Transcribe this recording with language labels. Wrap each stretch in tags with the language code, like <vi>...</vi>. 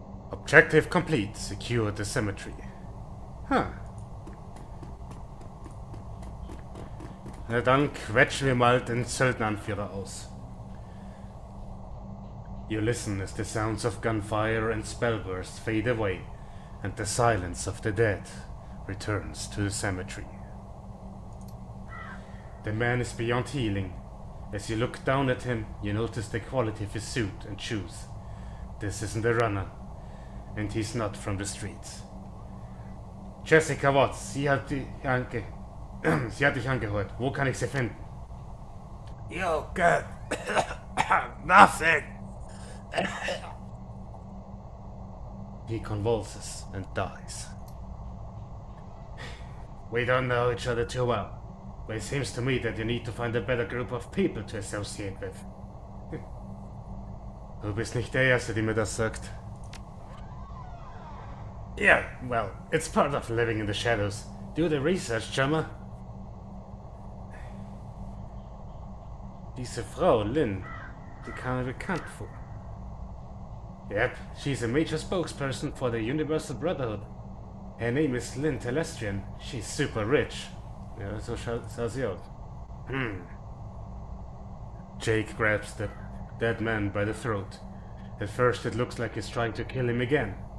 <en>Objective complete. Secure the cemetery.</en> <de>Huh. Na dann quetschen wir mal den Söldneranführer aus.</de> <en>You listen as the sounds of gunfire and spellbursts fade away, and the silence of the dead returns to the cemetery. The man is beyond healing. As you look down at him, you notice the quality of his suit and shoes. This isn't a runner, and he's not from the streets.</en> <de>Jessica Watts, sie hat dich angehört. Wo kann ich sie finden?</de> <en>You got nothing! He convulses and dies. We don't know each other too well, but it seems to me that you need to find a better group of people to associate with.</en> <de>Du bist nicht der Erste, der mir das sagt.</de> <en>Yeah, well, it's part of living in the shadows. Do the research, Gemma.</en> <de>Diese Frau, Lynn, die kam mir bekannt vor.</de> <en>Yep, she's a major spokesperson for the Universal Brotherhood. Her name is Lynn Telestrian. She's super rich. Yeah,</en> <de>so sah sie aus.</de> <en>Jake grabs the dead man by the throat. At first it looks like he's trying to kill him again.</en>